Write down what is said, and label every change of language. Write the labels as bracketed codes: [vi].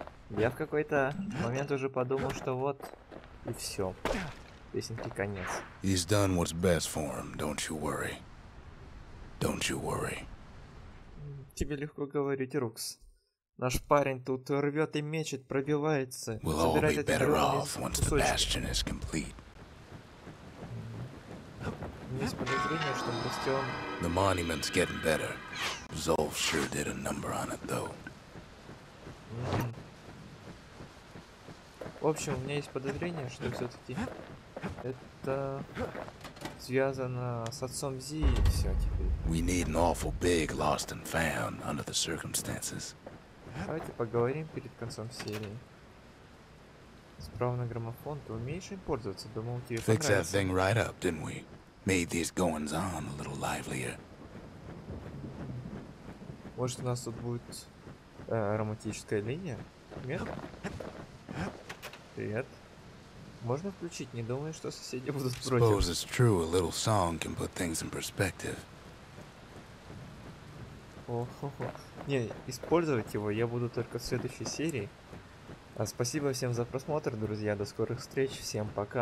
[ru] Я в какой-то момент уже подумал, что вот и все. Песенки конец. [en] He's done what's best for him, don't you worry. Don't you worry. [ru] Тебе легко говорить, Рукс. Наш парень тут рвет и мечет, пробивается. [en] We'll all be better off once the bastion is complete. [ru] Есть подозрение, что бастион... [en] The monument's getting better. Zolf sure did a number on it, though. [ru] В общем, у меня есть подозрение, что все-таки это связано с отцом Зи и все теперь. [en] We need an awful big lost and found under the circumstances. [ru] Давайте поговорим перед концом серии. Справа на граммофон, ты умеешь им пользоваться? Думал, тебе [en] Fix [ru] понравится. [en] That thing right up, didn't we? Made these goings on a little livelier. [ru] Может, у нас тут будет романтическая линия? Нет? Привет. Можно включить? Не думаю, что соседи будут против. [en] Suppose it's true, a little song can put things in perspective. О-хо-хо. [ru] Не, использовать его я буду только в следующей серии. Спасибо всем за просмотр, друзья. До скорых встреч. Всем пока.